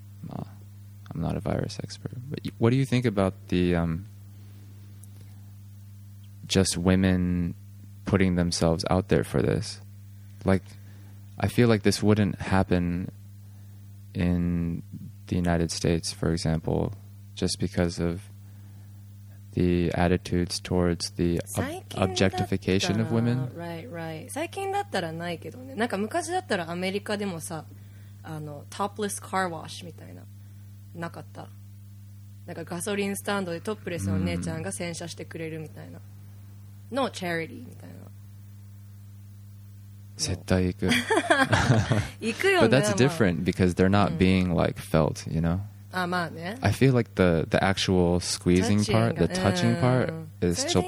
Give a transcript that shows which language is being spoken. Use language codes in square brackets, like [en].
[en] I'm not a virus expert, but what do you think about the just women putting themselves out there for this? Like, I feel like this wouldn't happen in the United States, for example, just because of the attitudes towards the objectification of women. Right. [ja] 最近だったらないけどね。なんか昔だったらアメリカでもさ、あの、 topless car wash みたいな。なかった。なんかガソリンスタンドでトップレスのお姉ちゃんが洗車してくれるみたいな。のチャリティみたいな。絶対行く。行くよね。 [en] But that's different because they're not being like felt, you know? I feel like the actual squeezing part, the touching part, is